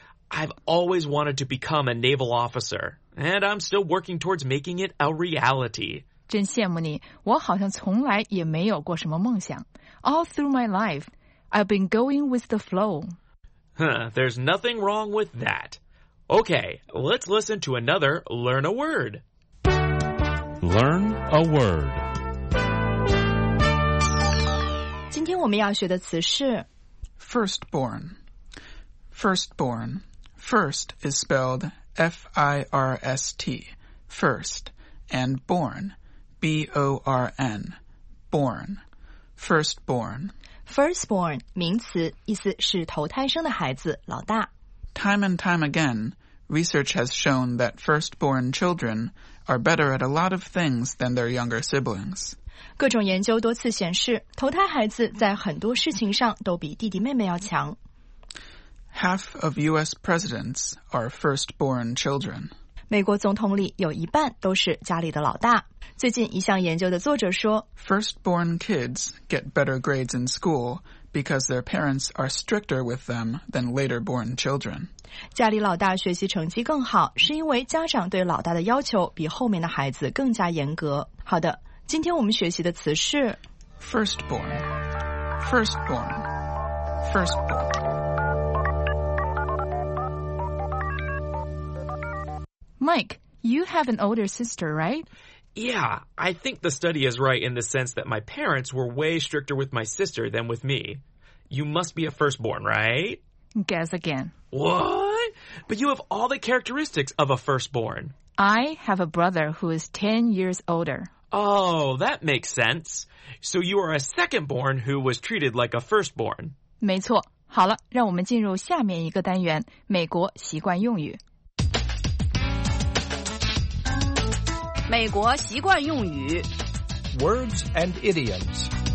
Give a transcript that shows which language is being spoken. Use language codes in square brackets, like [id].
[en] I've always wanted to become a naval officer, and I'm still working towards making it a reality. [zh] 真羡慕你，我好像从来也没有过什么梦想。 [en] All through my life, I've been going with the flow. There's nothing wrong with that. Okay, let's listen to another Learn a Word. Learn a Word. [zh] 今天我们要学的词是 [en] Firstborn. Firstborn. First is spelled F-I-R-S-T. First. And born. B-O-R-N, born, firstborn. [zh] Firstborn, 名词，意思是头胎生的孩子，老大。 [en] Time and time again, research has shown that firstborn children are better at a lot of things than their younger siblings. [zh] 各种研究多次显示，头胎孩子在很多事情上都比弟弟妹妹要强。 [en] Half of U.S. presidents are firstborn children. [zh] 美国总统里有一半都是家里的老大。最近一项研究的作者说 [en] Firstborn kids get better grades in school because their parents are stricter with them than later born children. [zh] 家里老大学习成绩更好，是因为家长对老大的要求比后面的孩子更加严格。好的，今天我们学习的词是 [en] Firstborn, Firstborn, Firstborn. Mike, you have an older sister, right? Yeah, I think the study is right in the sense that my parents were way stricter with my sister than with me. You must be a firstborn, right? Guess again. What? But you have all the characteristics of a firstborn. I have a brother who is 10 years older. Oh, that makes sense. So you are a secondborn who was treated like a firstborn. [zh] 没错。好了，让我们进入下面一个单元，美国习惯用语。美国习惯用语 [en] Words and Idioms